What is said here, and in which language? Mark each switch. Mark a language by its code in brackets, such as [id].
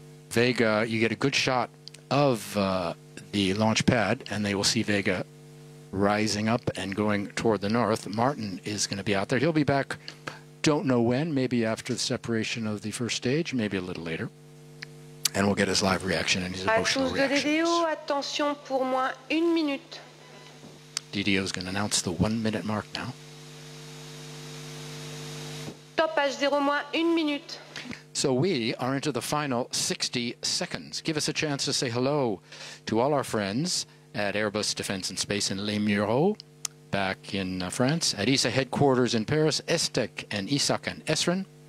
[en] Vega, you get a good shot of the launch pad, and they will see Vega rising up and going toward the north. Martin is going to be out there. He'll be back, don't know when, maybe after the separation of the first stage, maybe a little later. And we'll get his live reaction and his emotional reactions. [fr] À tous de DDO, attention pour moi, 1 minute. [en] DDO is going to announce the 1 minute mark now. [fr] Top H0, moi, 1 minute. [en] So we are into the final 60 seconds. Give us a chance to say hello to all our friends at Airbus Defence and Space in Les Mureaux, back in France, at ESA headquarters in Paris, ESTEC and ESAC and ESRIN.